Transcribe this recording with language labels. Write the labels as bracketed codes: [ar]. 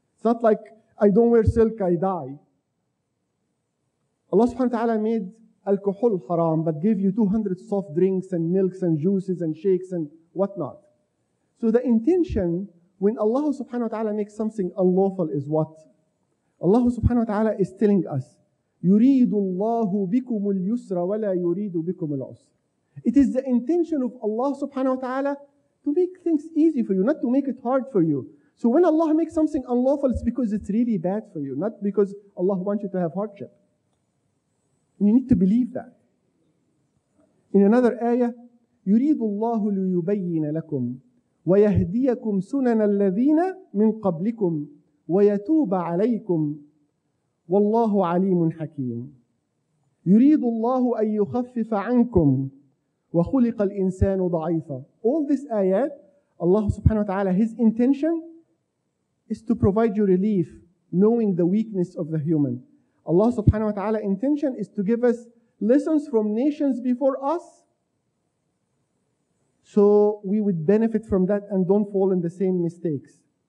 [en] It's not like, I don't wear silk, I die. Allah subhanahu wa ta'ala made alcohol haram, but gave you 200 soft drinks and milks and juices and shakes and whatnot. So the intention when Allah subhanahu wa ta'ala makes something unlawful is what? Allah subhanahu wa ta'ala is telling us, [ar] يُرِيدُ اللَّهُ بِكُمُ الْيُسْرَ وَلَا يُرِيدُ بِكُمُ الْعُسْرَ. [en] It is the intention of Allah subhanahu wa ta'ala to make things easy for you, not to make it hard for you. So when Allah makes something unlawful, it's because it's really bad for you, not because Allah wants you to have hardship. And you need to believe that. In another ayah, [ar] يُرِيدُ اللَّهُ لِيُبَيِّنَ لَكُمْ وَيَهْدِيَكُمْ سُنَنَ الَّذِينَ مِنْ قَبْلِكُمْ وَيَتُوبَ عَلَيْكُمْ وَاللَّهُ عَلِيمٌ حَكِيمٌ يُرِيدُ اللَّهُ أَنْ يُخَفِّفَ عَنْكُمْ وَخُلِقَ الْإِنسَانُ ضَعِيفًا. [en] All these ayat, Allah subhanahu wa ta'ala, His intention is to provide you relief, knowing the weakness of the human. Allah subhanahu wa ta'ala intention is to give us lessons from nations before us, so we would benefit from that and don't fall in the same mistakes.